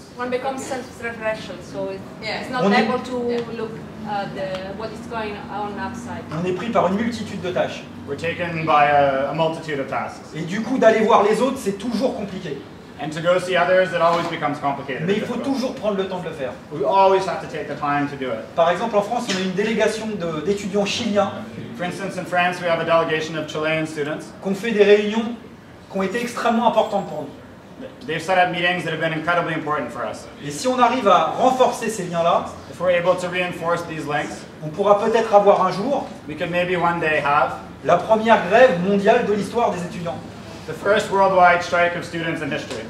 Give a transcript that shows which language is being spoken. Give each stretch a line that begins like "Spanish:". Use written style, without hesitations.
English: One becomes self-referential, so it's not able to look what is going on outside.
French: On est pris par une multitude de tâches.
English: We're taken by a multitude of tasks.
French: Et du coup, d'aller voir les autres, c'est toujours compliqué.
English: And to go see others, it always becomes complicated.
French: Mais il faut toujours prendre le temps de le faire.
English: We always have to take the time to do it.
French: Par exemple, en France, on a une délégation d'étudiants chiliens.
English: For instance, in France, we have a delegation of Chilean students.
French: Qu'on fait des réunions qui ont été extrêmement importantes pour nous.
English: They've set up meetings that have been incredibly important for us.
French: Et si on arrive à renforcer ces liens-là,
English: if we're able to reinforce these links,
French: on pourra peut-être avoir un jour,
English: we could maybe one day have,
French: la première grève mondiale de l'histoire des étudiants.
English: The first worldwide strike of students in history.